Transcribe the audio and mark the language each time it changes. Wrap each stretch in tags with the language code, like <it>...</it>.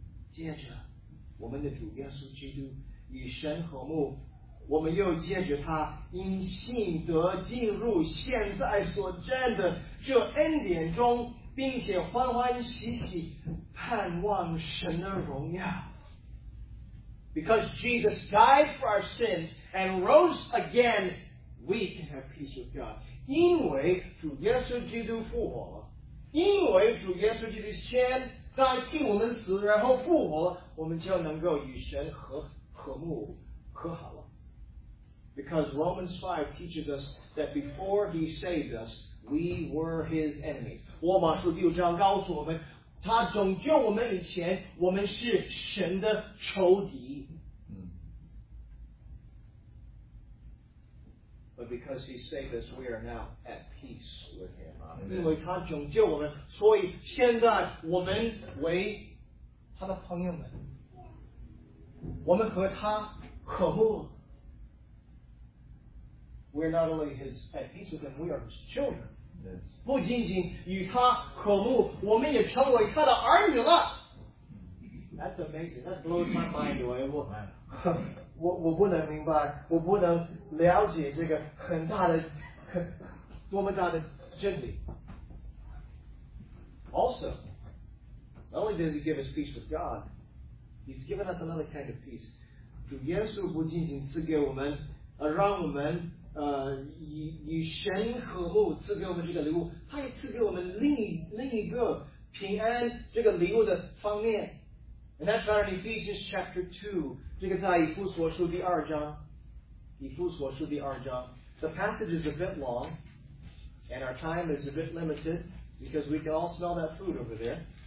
<zh>借着我们的主耶稣基督与神和睦，我们又借着他因信得进入现在所占的这恩典中，并且欢欢喜喜盼望神的荣耀。</zh> <en>Because Jesus died for our sins and rose again, we can have peace with God.</en> <zh>因为主耶稣基督复活了，因为主耶稣基督先在替我们死然后复活了，我们就能够与神 和睦和好了。</zh> <en>Because Romans 5 teaches us that before he saved us we were his enemies.</en> <zh>罗马书第五章告诉我们，他拯救我们以前我们是神的仇敌。</zh> <en>But because he saved us we are now at peace with him.</en> <zh>因为他拯救我们，所以现在我们为他的朋友们，我们和他和睦。</zh> <en>We are not only his at peace with him, we are his children. Yes.</en> <zh>不仅仅与他和睦，我们也成为他的儿女了。</zh> <en>That's amazing. That blows my mind away.</en> <zh>我不能明白，我不能了解这个很大的多么大的真理。</zh> <en>Also, not only does he give us peace with God, he's given us another kind of peace.</en> <zh>主耶稣不仅仅赐给我们让我们与神和睦，赐给我们这个礼物，他也赐给我们另一个平安这个礼物的方面。</zh> <en>And that's found in Ephesians chapter 2,</en> <zh>这个在以弗所书第二章。</zh> <en>The passage is a bit long and our time is a bit limited because we can all smell that food over there.</en>